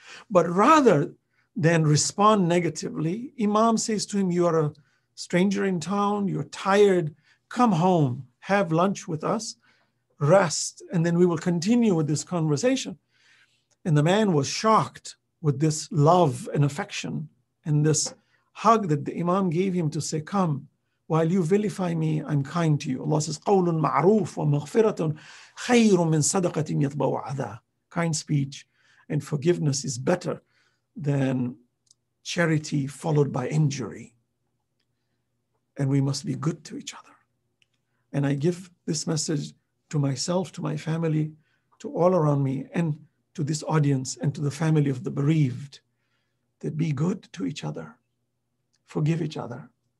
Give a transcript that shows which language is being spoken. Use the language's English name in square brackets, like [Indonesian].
[English] But rather than respond negatively, Imam says to him, you are a stranger in town, you're tired, come home, have lunch with us, rest, and then we will continue with this conversation. And the man was shocked with this love and affection and this hug that the Imam gave him to say, come, while you vilify me, I'm kind to you. Allah says, [Arabic] قَوْلٌ مَعْرُوفٌ وَمَغْفِرَةٌ خَيْرٌ مِنْ صَدَقَةٍ يَطْبَوْ عَذَى. [English] Kind speech and forgiveness is better than charity followed by injury. And we must be good to each other. And I give this message to myself, to my family, to all around me, and to this audience, and to the family of the bereaved, that be good to each other, forgive each other.